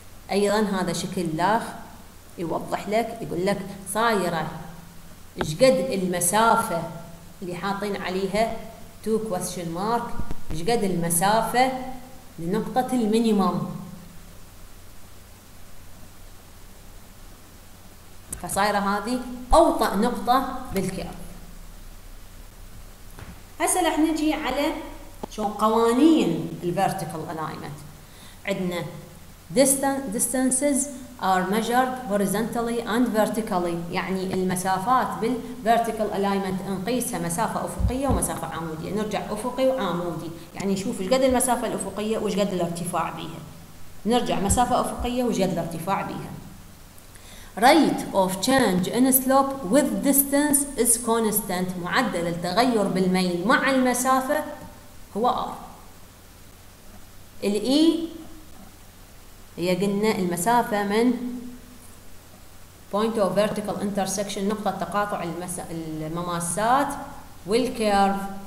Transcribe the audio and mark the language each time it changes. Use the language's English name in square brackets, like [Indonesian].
[Arabic] أيضا هذا شكل لاخ يوضح لك يقول لك صايرة إيش قد المسافة اللي حاطين عليها 2 question mark، إيش قد المسافة لنقطة المينيمم، فصايرة هذه أوطأ نقطة بالكيرف. هسه رح نجي على شو قوانين الـ Vertical Alignment. عندنا distances [English] are measured horizontally and vertically. [Arabic] يعني المسافات بال vertical alignment نقيسها مسافة أفقية ومسافة عمودية. نرجع أفقي وعمودي. يعني نشوف إيش قد المسافة الأفقية وإيش قد الارتفاع بيها. نرجع مسافة أفقية وإيش قد الارتفاع بيها. [English] Rate of change in slope with distance is constant. [Arabic] معدل التغير بالميل مع المسافة هو R. الE هي قلنا المسافة من point of vertical intersection نقطة تقاطع المماسات والcurve.